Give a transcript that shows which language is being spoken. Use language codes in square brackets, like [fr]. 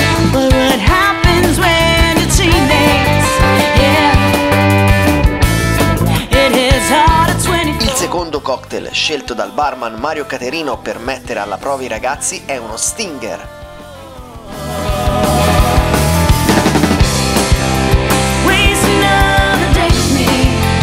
[en] But what happens when your teammates, yeah, it is hard at 24. [it] Il secondo cocktail scelto dal barman Mario Caterino per mettere alla prova i ragazzi è uno Stinger. [en] Waste another day with me.